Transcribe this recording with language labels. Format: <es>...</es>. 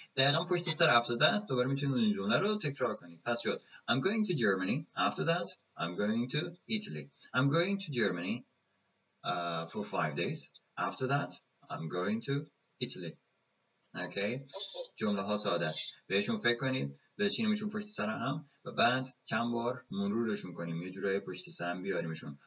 <fa>دقیقا پشت سر</fa> <en>after that</en> <fa>دوباره میتونید این جمله رو تکرار کنید. پس شد</fa> <en>I'm going to Germany، after that I'm going to Italy. I'm going to Germany for 5 days، after that I'm going to Italy.</en> <fa>Okay؟ جمله ها ساده است. بهشون فکر کنید، بشینیمشون پشت سر هم و بعد چند بار مرورشون کنیم، یه جورای پشت سر هم بیاریمشون.</fa>